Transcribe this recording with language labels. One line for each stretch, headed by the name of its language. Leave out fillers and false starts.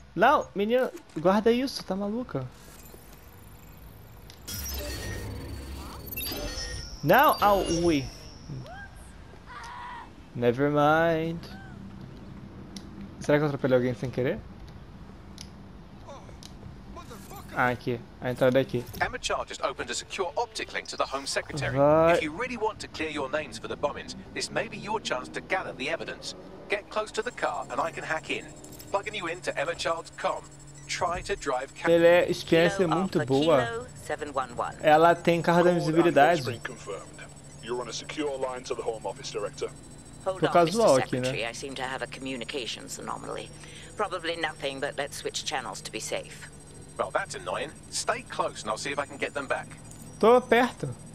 Portuguese: Não, menino, guarda isso, tá maluca? Não, au, ui.
English: Never mind.
Portuguese: Será que eu atropelei alguém sem querer? Ah, aqui. A entrada é aqui.
English: Emma Child just opened a secure optic link to the Home Secretary.
Portuguese: Vai.
English: If you really want to clear your names for the bombings, this may be your chance to gather the evidence. Get close to the car and I can hack in. Plugging you into Emma Child's com. Try to drive...
Portuguese: Ela é experiência muito boa. Ela tem carro da invisibilidade.
English: Confirmed. You're on a secure line to the Home Office Director. Hold on, Mr. Secretary. I seem to have a communications anomaly. Probably nothing, but let's switch channels to be safe. Well, that's annoying. Stay close and I'll see if I can get them back.
Portuguese: Tô perto.